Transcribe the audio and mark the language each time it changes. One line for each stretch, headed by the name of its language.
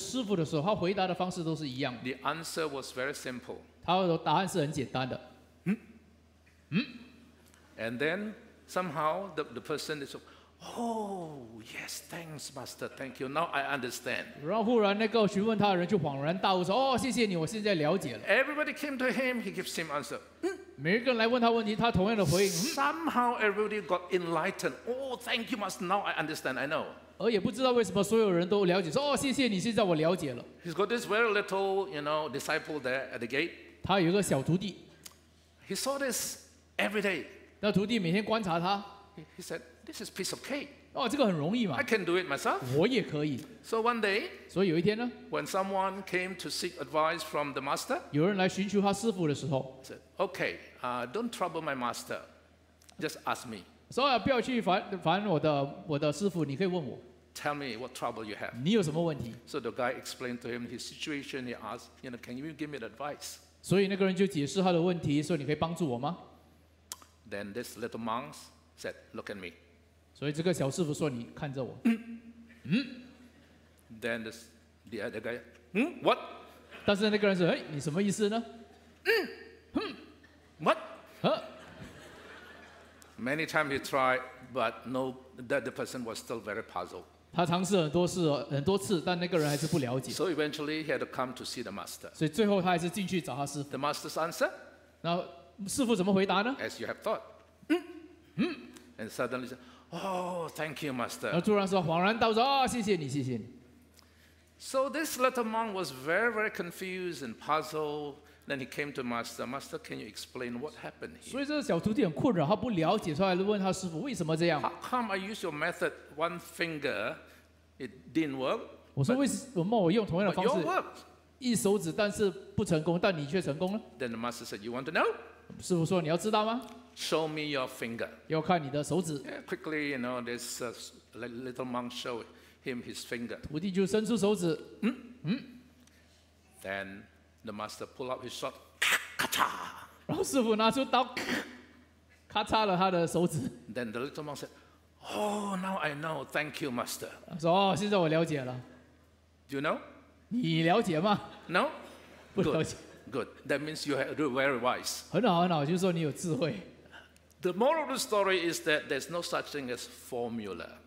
Chinese: 当有些人很多困扰的问题来问这师父的时候，他回答的方式都是一样的。
English: The answer was very simple.
Chinese: 他的答案是很简单的。
English: And then somehow the person is, oh yes, thanks, Master, thank you. Now I understand.
Chinese: 然后忽然那个询问他的人就恍然大悟说，哦，谢谢你，我现在了解了。
English: Everybody came to him, he gives him answer.
Chinese: 每一个人来问他问题，他同样的回应。
English: Somehow everybody got enlightened. Oh, thank you, Master. Now I understand. I know.
Chinese: 而也不知道为什么所有人都了解，说，哦，谢谢你，现在我了解了。
English: He's got this very little, you know, disciple there at the gate.
Chinese: 他有一个小徒弟。
English: He saw this every day.
Chinese: 那徒弟每天观察他。
English: He said, "This is piece of cake."
Chinese: 哦，这个很容易嘛。
English: I can do it myself.
Chinese: 我也可以。
English: So one day.
Chinese: 所以有一天呢。
English: When someone came to seek advice from the master.
Chinese: 有人来寻求他师父的时候。
English: Said, "Okay, don't trouble my master. Just ask me."
Chinese: 说啊，不要去烦我的师父，你可以问我。
English: Tell me what trouble you have.
Chinese: 你有什么问题？
English: So the guy explained to him his situation. He asked, "You know, can you give me advice?"
Chinese: 所以那个人就解释他的问题，说：“你可以帮助我吗？”
English: Then this little monk said, "Look at me."
Chinese: 所以这个小师傅说：“你看着我。”
English: Then this the guy, "What?"
Chinese: 但是那个人说：“哎，你什么意思呢？”
English: What? Many times he tried, but no, that the person was still very puzzled.
Chinese: 他尝试很多次，但那个人还是不了解。
English: So eventually he had to come to see the master.
Chinese: 所以最后他还是进去找他师父。
English: The master's answer?
Chinese: 然后师父怎么回答呢？
English: As you have thought. And suddenly said, "Oh, thank you, master."
Chinese: 然后突然说，恍然大悟说，哦，谢谢你，谢谢你。
English: So this little monk was very, very confused and puzzled. Then he came to master. Master, can you explain what happened here?
Chinese: 所以这个小徒弟很困扰，他不了解，所以来问他师父为什么这样。
English: How come I use your method one finger, it didn't work?
Chinese: 我说为什么我用同样的方式？
English: But your work.
Chinese: 一手指，但是不成功，但你却成功了。
English: Then the master said, "You want to know?"
Chinese: 师父说你要知道吗？
English: Show me your finger.
Chinese: 要看你的手指。
English: Yeah, quickly, you know, this little monk showed him his finger.
Chinese: 徒弟就伸出手指。
English: Then. The master pulled out his sword, 咔嚓！
Chinese: 然后师父拿出刀， 咔嚓了他的手指。
English: Then the little monk said, "Oh, now I know. Thank you, master."
Chinese: 说，哦，现在我了解了。
English: Do you know?
Chinese: 你了解吗？
English: No.
Chinese: 不了解。
English: Good. That means you are very wise.
Chinese: 很好，就是说你有智慧。
English: The moral of the story is that there's no such thing as formula.